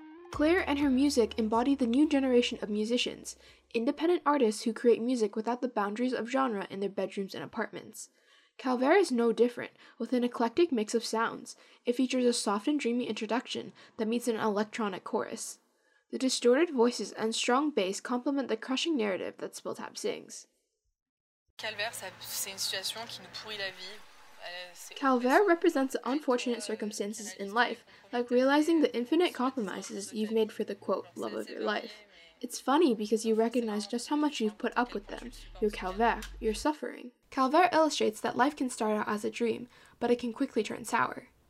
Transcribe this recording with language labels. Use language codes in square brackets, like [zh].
[en] Claire and her music embody the new generation of musicians, independent artists who create music without the boundaries of genre in their bedrooms and apartments. Calvaire is no different, with an eclectic mix of sounds. It features a soft and dreamy introduction that meets an electronic chorus. The distorted voices and strong bass complement the crushing narrative that Spiltab sings. [fr] Calvaire, c'est une situation qui nous pourrit la vie. [en] Calvaire represents the unfortunate circumstances in life, like realizing the infinite compromises you've made for the, quote, love of your life. It's funny because you recognize just how much you've put up with them. You're Calvaire, you're suffering. Calvaire illustrates that life can start out as a dream, but it can quickly turn sour.